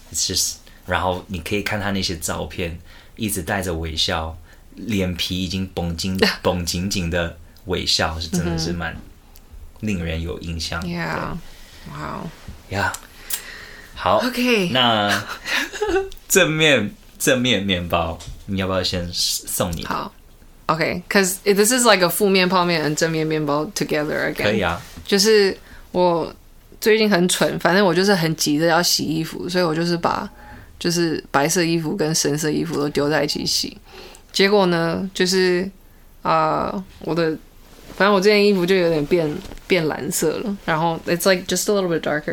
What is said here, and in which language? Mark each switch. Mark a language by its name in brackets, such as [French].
[English] It's just, [Chinese] 然后你可以看他那些照片一直带着微笑，脸皮已经绷紧紧的微笑，是真的是蛮令人有印象的。 [English] Yeah, wow. Yeah. 好，OK， [Chinese] 那正面面包，你要不要先送你？ [English] 好 ，OK， because this is like a 负面泡面 and 正面面包 together again。 [Chinese] 可以啊，就是我最近很蠢，反正我就是很急着要洗衣服，所以我就是把就是白色衣服跟深色衣服都丢在一起洗。结果呢就是我的反正我这件衣服就有点变蓝色了，然后 [English] it's like just a little bit darker、